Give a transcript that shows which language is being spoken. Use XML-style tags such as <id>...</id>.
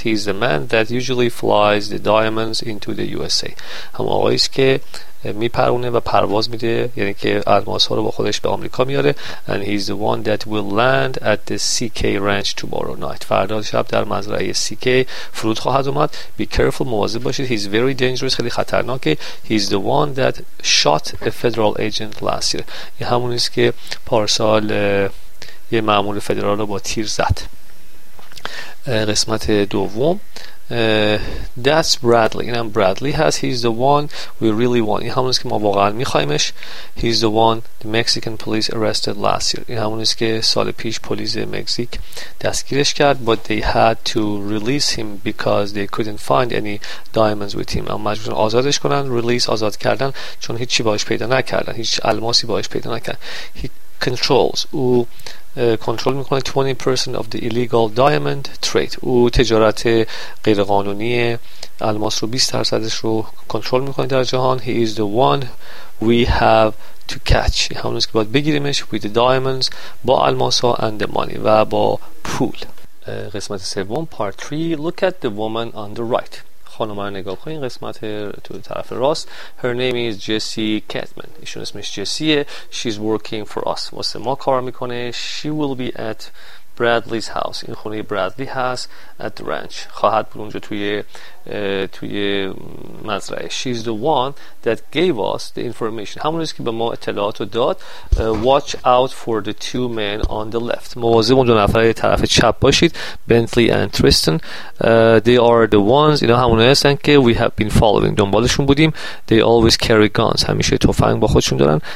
<en>He is the man that usually flies the diamonds into the USA.</en> <fa>همون آقایی است که میپرونه و پرواز میده، یعنی که الماس‌ها رو با خودش به آمریکا میاره.</fa> <en>And he is the one that will land at the CK ranch tomorrow night.</en> <fa>فردا شب در مزرعه CK فرود خواهد اومد.</fa> <en>Be careful،</en> <fa>مواظب باشید.</fa> <en>He is very dangerous،</en> <fa>خیلی خطرناکه.</fa> <en>He is the one that shot a federal agent last year.</en> <fa>یه همون است که پارسال یه مأمور فدرال رو با تیر زد. قسمت دوم</fa> <en>That's Bradley.</en> <fa>اینم برادلی هست.</fa> <en>He's the one we really want.</en> <fa>این همونیست که ما واقعا میخوایمش.</fa> <en>He's the one the Mexican police arrested last year.</en> <fa>این همونیست که سال پیش پلیس مکزیک دستگیرش کرد.</fa> <en>But they had to release him because they couldn't find any diamonds with him.</en> <fa>اما مجبورن آزادش کنن. Release، آزاد کردن، چون هیچی باش پیدا نکردن، هیچ الماسی باش پیدا نکردن.</fa> <en>He controls،</en> <fa>او کنترل میکنه</fa> <en>20% of the illegal diamond trade.</en> <fa>او تجارت غیرقانونی الماس رو 20% رو کنترل میکنه در جهان.</fa> <en>He is the one we have to catch.</en> <fa>همونیست که باید بگیریمش.</fa> <en>With the diamonds،</en> <fa>با الماس ها</fa> <en>and the money،</en> <fa>و با پول. قسمت سوم</fa> <en>Part 3. Look at the woman on the right.</en> <fa>خانم رو نگاه کنید، قسمت تو طرف راست.</fa> <en>Her name is Jessie Catman.</en> <fa>ایشون اسمش جسیه.</fa> <en>She's working for us.</en> <fa>واسه ما کار میکنه.</fa> <en>She will be at Bradley's house.</en> <fa>این خونه برادلی هست.</fa> <en>At the ranch.</en> <fa>خواهد بود اونجا توی مزرعه.</fa> <en>She's the one that gave us the information.</en> <fa>همون است که به ما اطلاعات رو داد.</fa> <en>Watch out for the two men on the left.</en> <fa>مواظب اون دو نفر طرف چپ باشید.</fa> <en>Bentley and Tristan. They are the ones.</en> <fa>اینا همون هستن که</fa> <en>we have been following.</en> <fa>دنبالشون بودیم.</fa> <en>They always carry guns.</en> <fa>همیشه تفنگ با خودشون دارن.</fa>